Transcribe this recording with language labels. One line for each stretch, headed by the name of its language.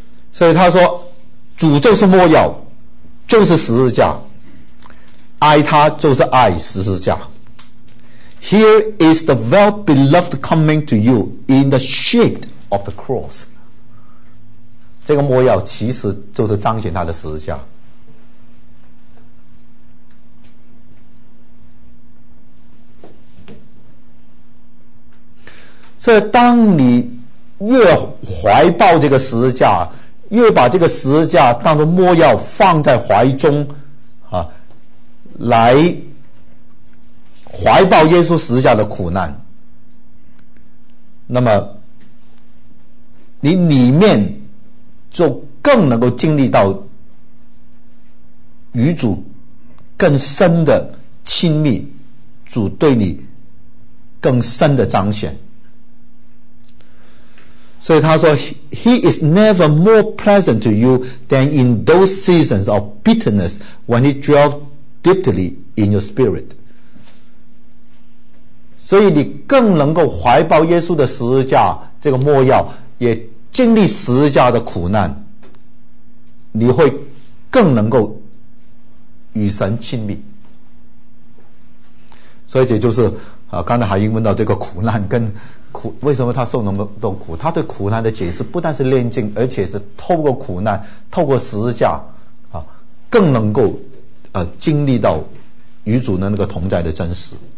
Chinese: 所以他说主就是墨药，就是十字架，爱他就是爱十字架。
English: Here is the well beloved coming to you in the shape of the cross，
Chinese: 这个墨药其实就是彰显他的十字架。所以当你越怀抱这个十字架，越把这个十字架当作墨药放在怀中啊，来怀抱耶稣十字架的苦难，那么你里面就更能够经历到与主更深的亲密，主对你更深的彰显。所以他说
English: He is never more pleasant to you than in those seasons of bitterness when he dwells deeply in your spirit。
Chinese: 所以你更能够怀抱耶稣的十字架这个墨药，也经历十字架的苦难，你会更能够与神亲密。所以这就是刚才海英问到这个苦难跟苦，为什么他受那么多苦，他对苦难的解释不但是炼净，而且是透过苦难透过十字架啊，更能够经历到与主的那个同在的真实。